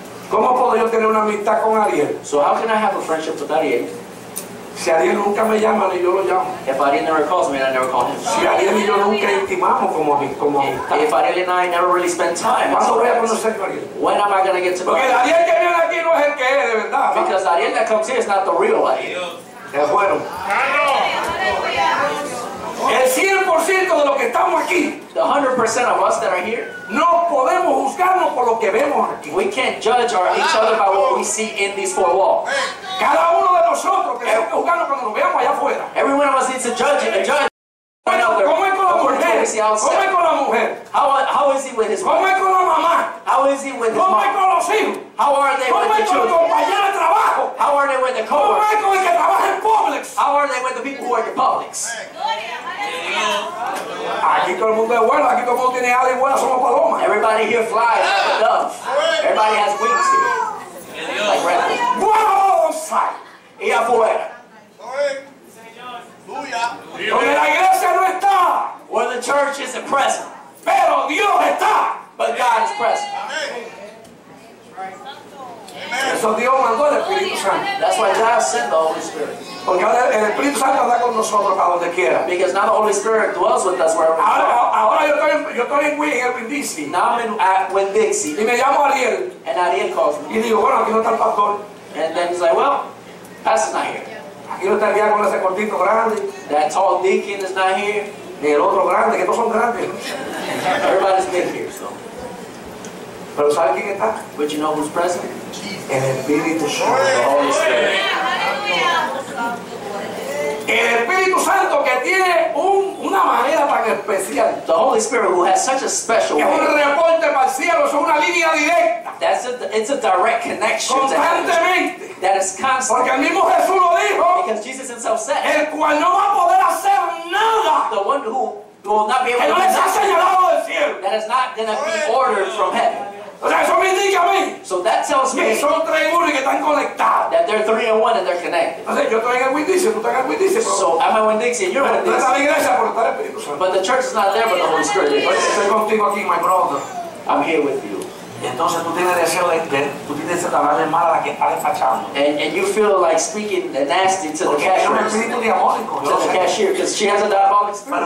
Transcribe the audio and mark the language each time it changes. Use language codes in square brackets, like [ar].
[es] ¿Cómo puedo yo tener una amistad con Ariel? [en] So how can I have a friendship with Ariel? [es] Si Ariel nunca me llama, ni yo lo llamo. [en] If Ariel never calls me, I never call him. [es] Si Ariel y yo nunca intimamos como amistad. [en] If Ariel and I never really spend time. [es] ¿Cuándo voy a conocer a Ariel? [en] When am I going to get to know him? [es] Porque Ariel que viene aquí no es el que es, de verdad. [en] Because Ariel that comes here is not the real Ariel. [es] Es bueno. El 100% de los que estamos aquí. [en] The 100% of us that are here. [es] No podemos juzgarnos por lo que vemos aquí. [en] We can't judge each other by what we see in these four walls. [es] Cada uno de nosotros que tenemos que juzgarnos cuando nos veamos allá afuera. [en] Every one of us needs to judge. [es] ¿Cómo es con la mujer? ¿Cómo es con la mujer? [en] How is he with his wife? [es] ¿Cómo es con la mamá? [en] How is he with his mom? [es] ¿Cómo es con los hijos? [en] How are they with the children? [es] ¿Cómo es con el compañero de trabajo? [en] How are they with the coworkers? [es] ¿Cómo es con el que trabaja en Publix? [en] How are they with the people who work in Publix? [es] Aquí todo el mundo es bueno, aquí todo el mundo tiene alas y vuela, somos palomas. [en] Everybody here flies like a dove. Everybody has wings here. Like rebels. [es] Y afuera. Donde la iglesia no está. [en] Where the church isn't present. [es] Pero Dios está. [en] But God is present. [es] Amen. Eso Dios mandó el Espíritu Santo. [en] That's why God sent the Holy Spirit. [es] Porque ahora el Espíritu Santo está con nosotros para donde quiera. [en] Because now the Holy Spirit dwells with us wherever we are. [es] Ahora yo estoy en Winn-Dixie. [en] Now I'm in Winn-Dixie. [es] Y me llamo Ariel. [en] And Ariel calls me. [es] Y digo, bueno, aquí no está el pastor. [en] And then he's like, well, pastor's not here. [es] Aquí no está el diácono ese cortito grande. [en] That tall deacon is not here. [es] Ni el otro grande, que todos son grandes. [en] Everybody's been here, so. [es] Pero ¿sabe quién está? [en] But you know who's present? [es] El Espíritu Santo, [en] the Holy Spirit. [es] El Espíritu Santo que tiene una manera tan especial. [en] The Holy Spirit who has such a special way. [es] Es un reporte para el cielo, es una línea directa. [en] That's it's a direct connection. [es] Constantemente. [en] That is constant. [es] Porque el mismo Jesús lo dijo. [en] Because Jesus himself said. [es] El cual no va a poder hacer nada. [en] The one who will not be able [es] que [en] to [es] no es señalado del cielo. [en] That is not going to be ordered from heaven. [es] O sea, eso me indica a mí. [en] So that tells me [es] que son tres y uno y que están conectados. [en] That they're three and one and they're connected. [es] O sea, yo estoy en Winn-Dixie, tú estás en Winn-Dixie. [en] So I'm in Winn-Dixie, you're in Winn-Dixie. [es] No está la iglesia, pero está el Espíritu Santo. [en] But the church is not there, but the Holy Spirit is. [es] Oye, estoy contigo aquí, [en] my brother. I'm here with you. [es] Entonces tú tienes deseo de tú tienes que hablarle mal a la que está despachando. [en] And you feel like speaking nasty to [es] porque [en] the cashier. [es] Porque es un espíritu diabólico. [en] To the cashier, because she has a diabolic spirit.